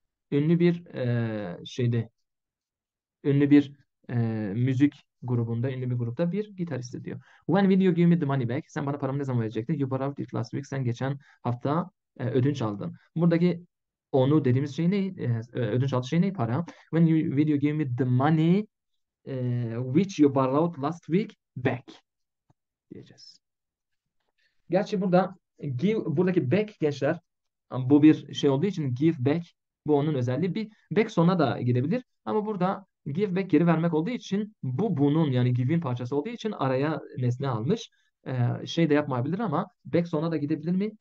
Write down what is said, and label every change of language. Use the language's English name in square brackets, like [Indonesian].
[Turkish] Ünlü bir şeyde, ünlü bir müzik grubunda, ünlü bir grupta bir gitarist diyor. [English] When will you give me the money back? [Turkish] Sen bana paramı ne zaman verecektin? [English] You borrowed it last week. [Turkish] Sen geçen hafta ödünç aldın. Buradaki onu dediğimiz şey ne? Ödünç aldığı şey ne? Para. [English] When you give me the money which you borrowed last week back [Turkish] diyeceğiz. Gerçi burada buradaki back gençler bu bir şey olduğu için give back bu onun özelliği. Bir back sona da gidebilir ama burada give back geri vermek olduğu için bunun yani give'in parçası olduğu için araya nesne almış. Şey de yapmayabilir ama back sona da gidebilir mi?